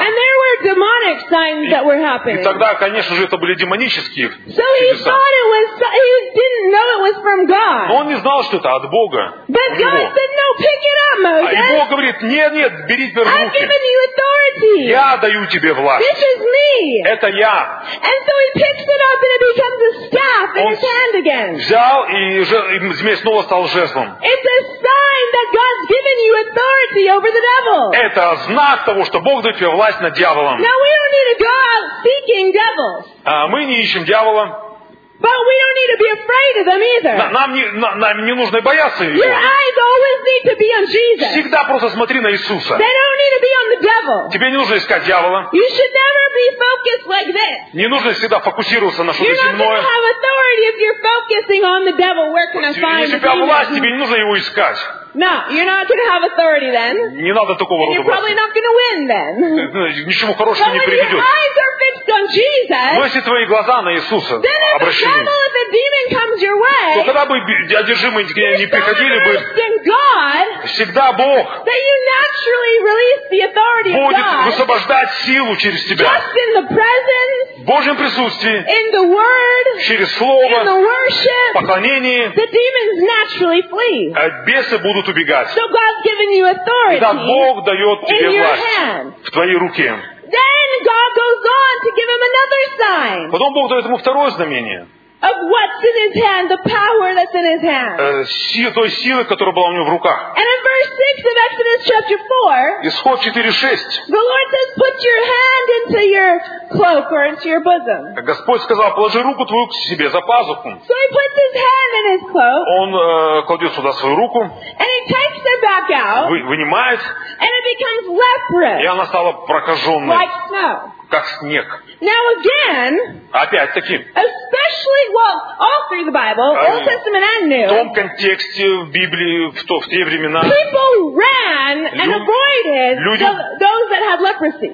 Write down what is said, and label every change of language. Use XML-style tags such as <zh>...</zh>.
<en>And there were demonic signs that were happening.</en> <ru>И тогда, конечно же, это были демонические</ru> <en>so</en> <ru>чудеса.</ru> <en>So he thought it was. He didn't know it was from God.</en> <ru>Но он не знал, что это от Бога.</ru> <en>But God said, "No, pick it up, Moses."</en> <ru>А и Бог говорит: "Нет, нет, бери в руки."</ru> <en>I've given you authority.</en> <ru>Я даю тебе власть.</ru> <en>This is me.</en> <ru>Это я.</ru> <en>And so he picks it up and it becomes a staff in his hand again.</en> <ru>Взял и уже змей снова стал.</ru> <en>It's a sign that God's given you authority over the devil.</en> <ru>Это знак того, что Бог дает тебе власть над дьяволом.</ru> <en>Now we don't need to go out seeking devils.</en> <ru>А мы не ищем дьявола.</ru> <en>But we don't need to be afraid of them either.</en> <ru>Нам не нужно бояться его.</ru> <en>Your eyes always need to be on Jesus.</en> <ru>Всегда просто смотри на Иисуса.</ru> <en>They don't need to be on the devil.</en> <ru>Тебе не нужно искать дьявола.</ru> <en>You should never be focused like this.</en> <ru>Не нужно всегда фокусироваться на что-то земное.</ru> <en>You're not going to have authority if you're focusing on the devil. Where can I find him?</en> <ru>У тебя власть, тебе не нужно его искать.</ru> <en>No, you're not going to have authority then.</en> <ru>Не надо такого рода.</ru> <en>And you're probably not going to win then.</en> <ru>Ничего хорошего не приведет.</ru> <en>But when your eyes are fixed on Jesus,</en> <ru>но если твои глаза на Иисуса обращены,</ru> <en>then if the demon comes your way,</en> <ru>то когда бы одержимые не приходили бы, всегда Бог будет высвобождать силу через тебя.</ru> <en>Just in the presence,</en> <ru>в Божьем присутствии,</ru> <en>in the word,</en> <ru>через слово,</ru> <en>in the worship,</en> <ru>поклонение,</ru> <en>the demons naturally flee.</en> <ru>Бесы будут убегать.</ru> <en>So God's given you authority.</en> <ru>Итак, Бог дает тебе власть</ru> <en>hand.</en> <ru>В твоей руке.</ru> <en>Then God goes on to give him another sign.</en> <ru>Потом Бог дает ему второе знамение.</ru> <en>Of what's in his hand, the power that's in his hand.</en> <ru>Той силы, которая была у него в руках.</ru> <en>And in verse 6 of Exodus chapter 4,</en> <ru>Исход 4:6,</ru> <en>the Lord says, put your hand into your cloak or into your bosom.</en> <ru>Господь сказал, положи руку твою к себе за пазуху.</ru> <en>So he puts his hand in his cloak.</en> <ru>Он кладет сюда свою руку.</ru> <en>And he takes it back out.</en> <ru>Вынимает.</ru> <en>And it becomes leprous.</en> <ru>И она стала прокаженной.</ru> <en>Like snow.</en> <ru>Как снег.</ru> <en>Now again,</en> <ru>опять-таки,</ru> <en>especially, well, all through the Bible, Old Testament and New,</en> <ru>в том контексте в Библии, в те времена,</ru> <en>people ran and avoided those that had leprosy.</en>